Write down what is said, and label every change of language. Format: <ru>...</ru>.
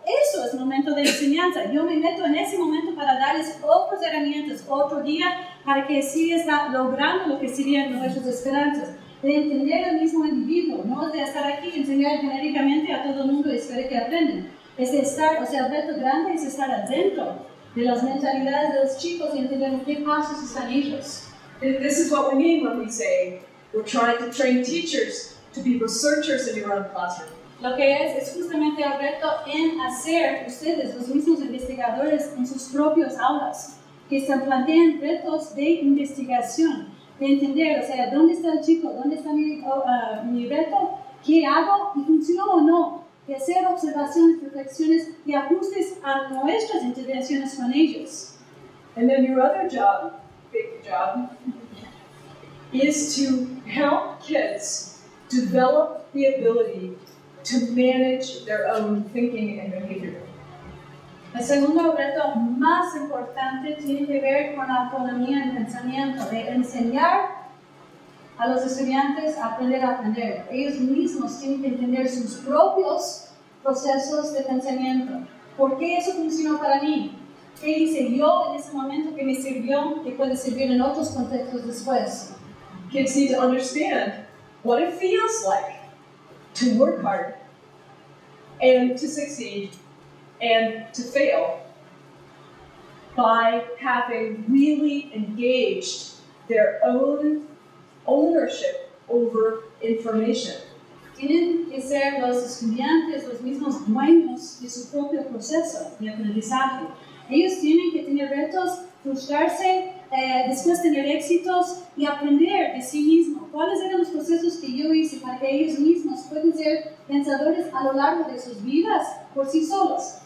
<es>Eso es momento de enseñanza. Yo me meto en ese momento para darles otras herramientas, otro día, para que sí está logrando lo que serían nuestras esperanzas. De entender al mismo individuo, no de estar aquí y enseñar genéricamente a todo el mundo y esperar que aprendan. Es de estar, o sea, el reto grande es estar adentro de las mentalidades de los chicos y entender qué pasos están ellos.</es> <en>This is what we mean when we say we're trying to train teachers to be researchers in your own classroom.</en> <es>Lo que es justamente el reto en hacer ustedes, los mismos investigadores, en sus propios aulas, que se planteen retos de investigación. De entender, o sea, ¿dónde está el chico? ¿Dónde está mi reto? ¿Qué hago? ¿Y funciona o no? De hacer observaciones, reflexiones y ajustes a nuestras intervenciones con ellos.</es> <en>And then your other job, big job, is to help kids develop the ability to manage their own thinking and behavior.</en> <es>El segundo reto más importante tiene que ver con la autonomía en pensamiento, de enseñar a los estudiantes a aprender a aprender. Ellos mismos tienen que entender sus propios procesos de pensamiento. ¿Por qué eso funcionó para mí? ¿Qué hice yo en ese momento que me sirvió, que puede servir en otros contextos después?</es> <en>Kids need to understand what it feels like to work hard and to succeed and to fail by having really engaged their own ownership over information.</en> <es>Tienen que ser los estudiantes los mismos dueños de su propio proceso de aprendizaje. Ellos tienen que tener retos, frustrarse, después tener éxitos y aprender de sí mismos. ¿Cuáles eran los procesos que yo hice para que ellos mismos puedan ser pensadores a lo largo de sus vidas por sí solos?</es>